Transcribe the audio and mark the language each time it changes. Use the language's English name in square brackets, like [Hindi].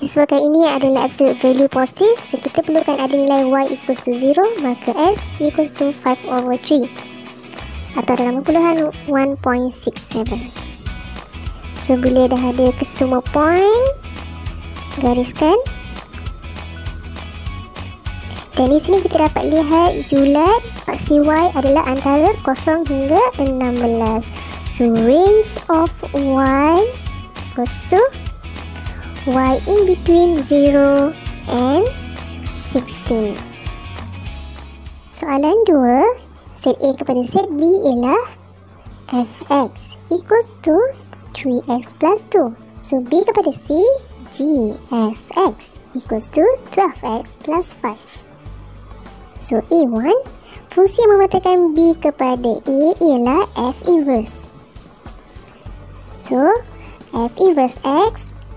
[Malay] Disebabkan ini adalah absolute value positive, so kita perlukan ada nilai y equals to 0, maka s equals to 5 over 3, atau dalam puluhan 1.67. So bila dah ada kesemua point, gariskan. Dan di sini kita dapat lihat julat paksi y adalah antara 0 hingga 16. [English] So range of y equals to y in between 0 and 16. [Malay] Soalan 2, set A kepada set B ialah fx equals to 3x plus 2. So B kepada C, gfx equals to 12x plus 5. So A1, fungsi yang mematahkan B kepada A ialah F inverse. So F inverse X